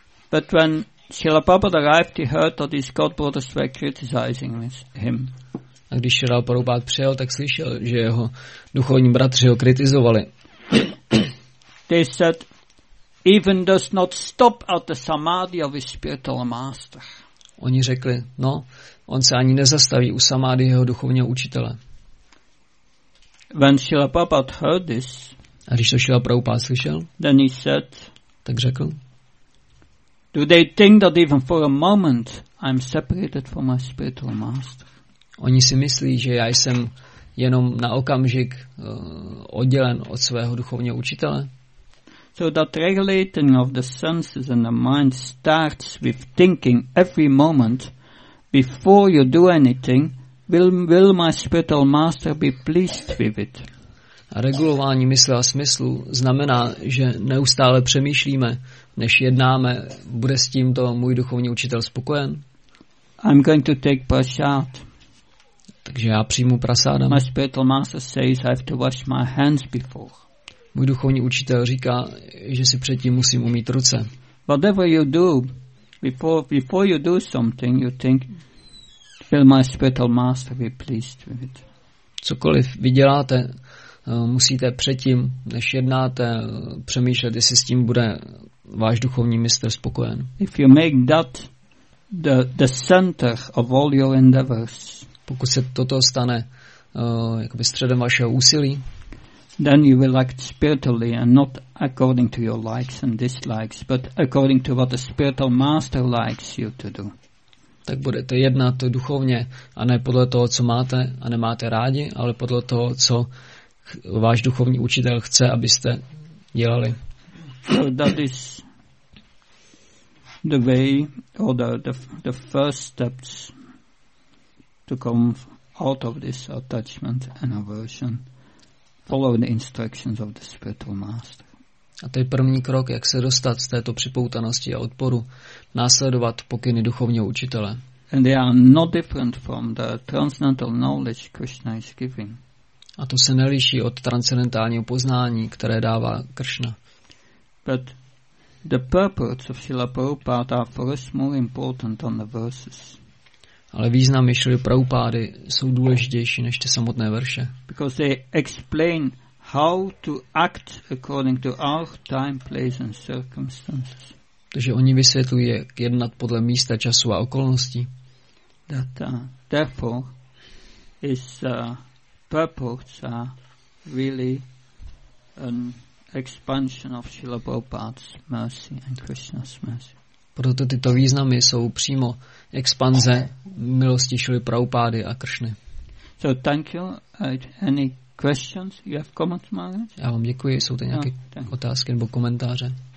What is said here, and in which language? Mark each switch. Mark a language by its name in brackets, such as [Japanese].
[English] But when Srila Prabhupada arrived, he heard that his god brothers were criticizing him. [Czech] A když Srila Prabhupada přijel, tak slyšel, že jeho duchovní bratři ho kritizovali. [English] They said, even does not stop at the samadhi of his spiritual master. [Czech] Oni řekli, no, on se ani nezastaví u samadhi jeho duchovního učitele. [English] When Srila Prabhupada heard this, [Czech] a když to Srila Prabhupada slyšel, [English] then he said, [Czech] tak řekl, [English] do they think that even for a moment I'm separated from my spiritual master? [Czech] Oni si myslí, že já jsem jenom na okamžik oddělen od svého duchovního učitele. [English] So that regulating of the senses and the mind starts with thinking every moment before you do anything, will my spiritual master be pleased with it? [Czech] A regulování mysle a smyslu znamená, že neustále přemýšlíme, než jednáme, bude s tímto můj duchovní učitel spokojen? [English] I'm going to take prasad. [Czech] Takže já přijmu prasádam. [English] My spiritual master says I have to wash my hands before. [Czech] Můj duchovní učitel říká, že si předtím musím umýt ruce. [English] Whatever you do, before you do something, you think, will my spiritual master be pleased with it? [Czech] Cokoliv vy děláte, musíte předtím, než jednáte, přemýšlet, jestli s tím bude váš duchovní mistr spokojen. [English] If you make that the center of all your endeavors. [Czech] Pokud se toto stane jakoby středem vašeho úsilí, [English] then you will act spiritually and not according to your likes and dislikes, but according to what the spiritual master likes you to do. [Czech] Tak budete jednat duchovně a ne podle toho, co máte a nemáte rádi, ale podle toho, co váš duchovní učitel chce, abyste dělali. [English] So that is the way or the first steps to come out of this attachment and aversion. Follow the instructions of the spiritual master. [Czech] A to je první krok, jak se dostat z této připoutanosti a odporu, následovat pokyny duchovního učitele. [English] And they are not different from the transcendental knowledge Krishna is giving. [Czech] A to se neliší od transcendentálního poznání, které dává Krishna. [English] But the purports of Srila Prabhupada are for us more important than the verses. [Czech] Ale významy Srila Prabhupady jsou důležitější než ty samotné verše. [English] Because they explain how to act according to our time, place and circumstances. [Czech] Takže oni vysvětlují, jak jednat podle místa, času a okolností. [English] That therefore is purports are really an expansion of Srila Prabhupada's mercy and Krishna's mercy. [Czech] Proto tyto významy jsou přímo expanze milosti Srila Prabhupady a Krishny. [English] So thank you. Any questions? You have comments, Maharaj? [Czech] Já vám děkuji. Jsou tady nějaké otázky nebo komentáře?